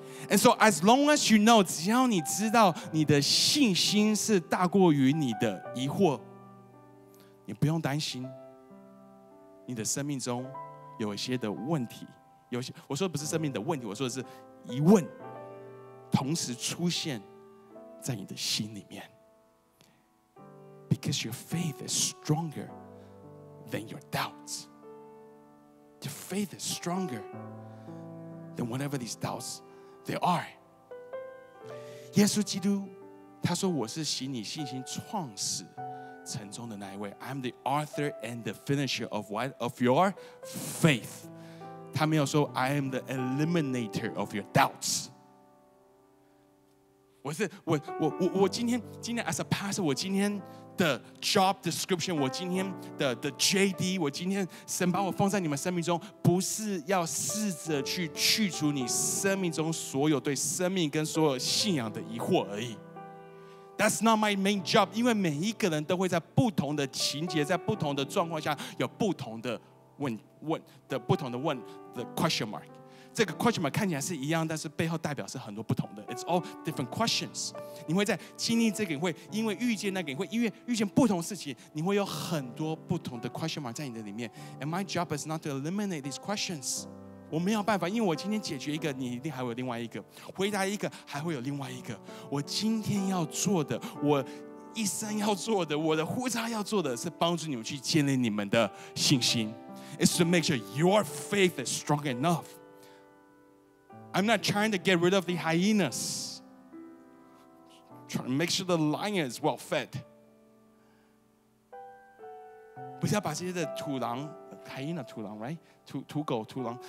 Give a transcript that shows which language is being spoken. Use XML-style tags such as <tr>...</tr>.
<en>And so as long as you know，</en> <zh>只要你知道你的信心是大过于你的疑惑，你不用担心你的生命中有一些的问题。有些，我说的不是生命的问题，我说的是疑问同时出现在你的心里面。</zh> <en>Because your faith is stronger than your doubts， Your faith is stronger than whatever these doubts there are。</en> <zh>耶稣基督他说，我是使你信心创始成中的那一位。</zh> <en>I'm the author and the finisher of what? Of your faith。</en> <zh>他没有说</zh> <en>I am the eliminator of your doubts。</en> <zh>我今天</zh> <en>as a pastor，</en> <zh>我今天的 job description， 我今天的</zh> <en>the JD，</en> <zh>我今天神把我放在你们生命中，不是要试着去去除你生命中所有对生命跟所有信仰的疑惑而已。</zh> <en>That's not my main job，</en> <zh>因为每一个人都会在不同的情节，在不同的状况下有不同的问</zh> <en>the question mark。</en> <zh>这个 question mark 看起来是一样，但是背后代表是很多不同的。</zh> <en>It's all different questions。</en> <zh>你会在经历这个，你会因为遇见那个，你会因为遇见不同事情，你会有很多不同的 question mark 在你的里面。</zh> <en>And my job is not to eliminate these questions。</en> <zh>我没有办法，因为我今天解决一个，你一定还会有另外一个，回答一个还会有另外一个。我今天要做的，我一生要做的，我的呼召要做的，是帮助你们去建立你们的信心。</zh> <en>It's to make sure your faith is strong enough. I'm not trying to get rid of the hyenas. trying to make sure the lion is well fed.</en> <zh>不是要把这些的土狼，还有那土狼 ，right？ 土狗、土狼。</zh>